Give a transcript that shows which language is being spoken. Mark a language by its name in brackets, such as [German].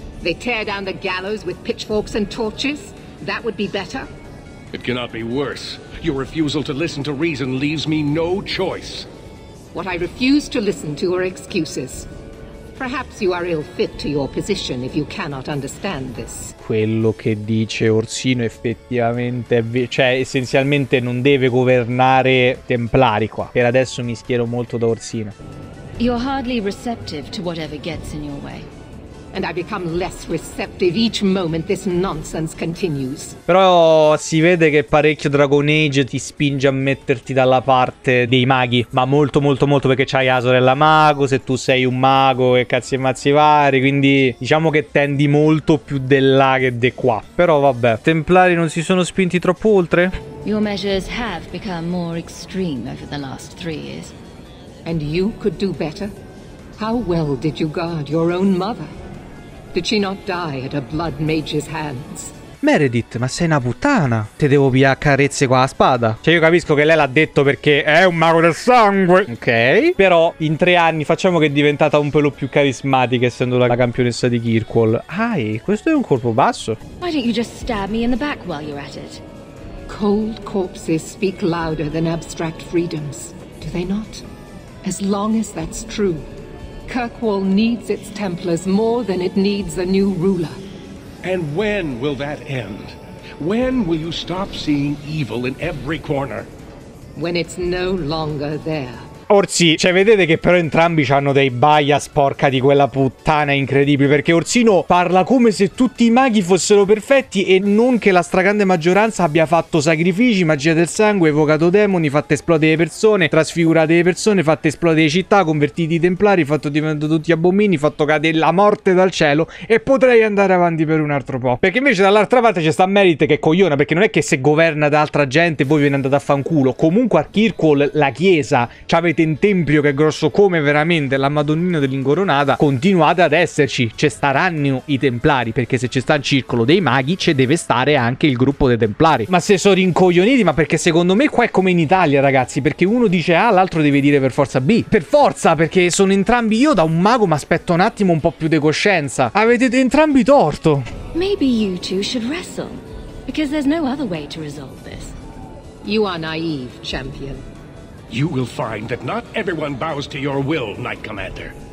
[English] They tear down the gallows with pitchforks and torches? That would be better? It cannot be worse. Your refusal to listen to reason leaves me no choice. What I refuse to listen to are excuses. Perhaps you are ill fit to your position if you cannot understand this. [Italian] Quello che dice Orsino effettivamente è cioè essenzialmente non deve governare Templari qua. Per adesso mi schiero molto da Orsino. [English] You're hardly receptive to whatever gets in your way. And I become less receptive each moment this nonsense continues. [Italian] Però si vede che parecchio Dragon Age ti spinge a metterti dalla parte dei maghi. Ma molto molto molto, perché c'hai la sorella mago. Se tu sei un mago e cazzi e mazzi vari, quindi diciamo che tendi molto più de là che de qua. Però vabbè, Templari non si sono spinti troppo oltre? [English] Your measures have become more extreme over the last 3 years. And you could do better? How well did you guard your own mother? Did she not die at a blood mage's hands? [Italian] Meredith, ma sei una puttana. Te devo via carezze con la spada. Cioè, io capisco che lei l'ha detto perché è un mago del sangue. Ok. Però in 3 anni facciamo che è diventata un pelo più carismatica essendo la campionessa di Kirkwall. Ah, e questo è un colpo basso. [English] Why don't you just stab me in the back while you're at it? Cold corpses speak louder than abstract freedoms, do they not? As long as that's true. Kirkwall needs its Templars more than it needs a new ruler. And when will that end? When will you stop seeing evil in every corner? When it's no longer there. [Italian] Orsi, cioè vedete che però entrambi hanno dei bias, porca di quella puttana, incredibili, perché Orsino parla come se tutti i maghi fossero perfetti e non che la stragrande maggioranza abbia fatto sacrifici, magia del sangue, evocato demoni, fatto esplodere le persone, trasfigurate le persone, fatto esplodere città, convertiti i templari, fatto diventare tutti abomini, fatto cadere la morte dal cielo, e potrei andare avanti per un altro po'. Perché invece dall'altra parte c'è sta Merit che è cogliona, perché non è che se governa da altra gente voi ve ne andate a fanculo. Comunque a Kirkwall la chiesa, cioè avete un tempio che è grosso come veramente la Madonnina dell'Incoronata, continuate ad esserci, ci staranno i templari, perché se c'è sta il circolo dei maghi ci deve stare anche il gruppo dei templari. Ma se sono rincoglioniti, ma perché secondo me qua è come in Italia, ragazzi, perché uno dice A, l'altro deve dire per forza B, per forza, perché sono entrambi, io da un mago mi aspetto un attimo un po' più di coscienza. Avete entrambi torto. [English] Maybe you two should wrestle, because there's no other way to resolve this. You are naive, champion. You will find that not everyone bows to your will, Knight Commander.